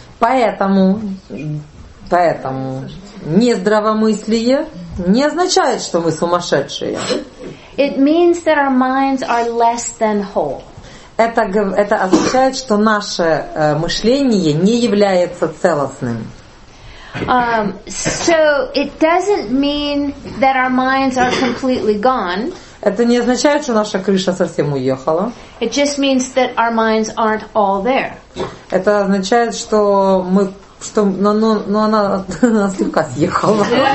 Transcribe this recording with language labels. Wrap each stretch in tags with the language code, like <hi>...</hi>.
<ru>Поэтому нездравомыслие не означает, что мы сумасшедшие.</ru> <en>It means that our minds are less than whole.</en> <ru>Это означает, что наше мышление не является целостным.</ru> <en>So it doesn't mean that our minds are completely gone.</en> <ru>Это не означает, что наша крыша совсем уехала.</ru> <en>It just means that our minds aren't all there.</en> <ru>Это означает, что мы, что, но она от нас слегка съехала.</ru>